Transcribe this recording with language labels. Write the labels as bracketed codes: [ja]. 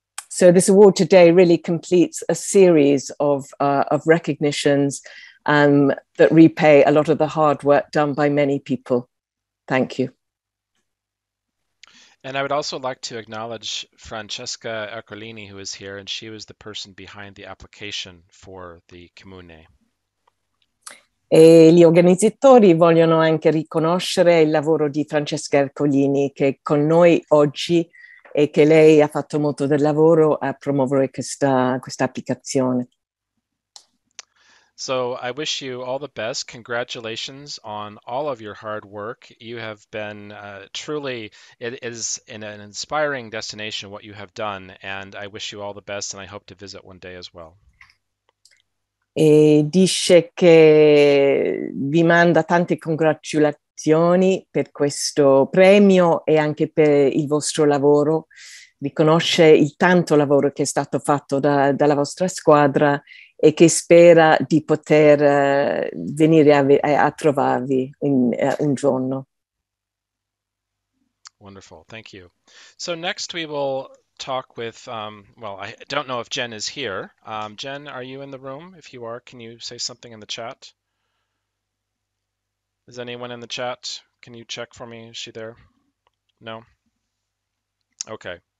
[en] So this award today really completes a series of recognitions that repay a lot of the hard work done by many people. Thank you. And I would also like to acknowledge Francesca Ercolini, who is here, and she was the person behind the application for the Comune. [it] E gli organizzatori vogliono anche riconoscere il lavoro di Francesca Ercolini, che è con noi oggi e che lei ha fatto molto del lavoro a promuovere questa applicazione. [en] So I wish you all the best. Congratulations on all of your hard work. You have been truly, it is an inspiring destination what you have done. And I wish you all the best and I hope to visit one day as well. [it] e dice che vi manda tante congratulazioni per questo premio e anche per il vostro lavoro, riconosce il tanto lavoro che è stato fatto dalla vostra squadra e che spera di poter venire a trovarvi un giorno. [en] Wonderful, thank you. So next we will talk with, well, I don't know if Jen is here. Jen, are you in the room? If you are, can you say something in the chat? Is anyone in the chat? Can you check for me? Is she there? No? Okay.